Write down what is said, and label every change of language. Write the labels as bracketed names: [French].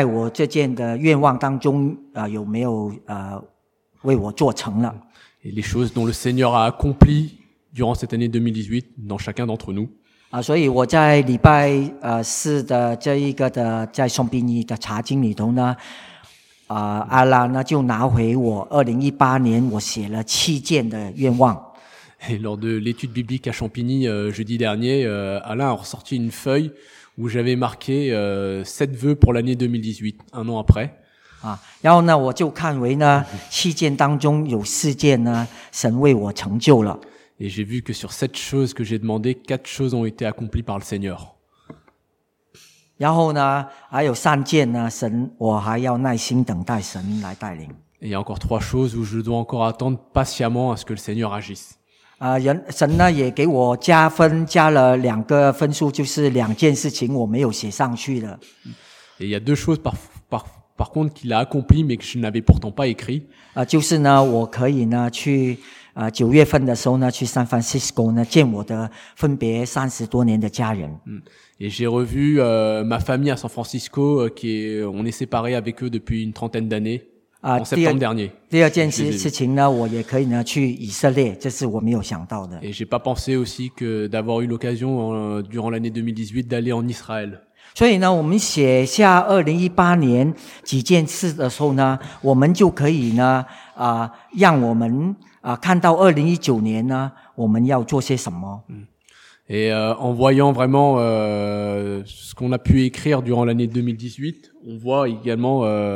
[French] 2019, 2018, un sujet de reconnaissance. Et les choses dont le Seigneur a accompli durant cette année 2018 dans chacun d'entre nous. [Chinese] 所以我在礼拜四的这一个的在松饼尼的茶经里头呢。阿拉呢就拿回我2018年我写了七件的愿望。 [French] Et lors de l'étude biblique à Champigny jeudi dernier, Alain a ressorti une feuille où j'avais marqué sept vœux pour l'année 2018, un an après. [Chinese] 然后呢我就看为呢七件当中有四件呢神为我成就了。 [French] Et j'ai vu que sur sept choses que j'ai demandé, quatre choses ont été accomplies par le Seigneur. [Chinese] 然后呢还有三件呢神我还要耐心等待神来带领。 [French] Et il y a encore trois choses où je dois encore attendre patiemment à ce que le Seigneur agisse. [Chinese] 神呢也给我加分加了两个分数就是两件事情我没有写上去的。 [French] Et il y a deux choses par contre qu'il a accompli mais que je n'avais pourtant pas écrit. [Chinese] 就是呢我可以呢去九月份的时候呢去 San Francisco 呢见我的分别三十多年的家人。 [French] Et j'ai revu ma famille à San Francisco, on est séparés avec eux depuis une trentaine d'années, en septembre dernier. [Chinese] 第二件事情呢，我也可以呢去以色列，这是我没有想到的。 [French] Et j'ai pas pensé aussi que d'avoir eu l'occasion durant l'année 2018 d'aller en Israël. [Chinese] 所以呢，我们写下2018年几件事的时候呢，我们就可以呢让我们看到2019年呢，我们要做些什么。 [French] Et en voyant vraiment ce qu'on a pu écrire durant l'année 2018, on voit également.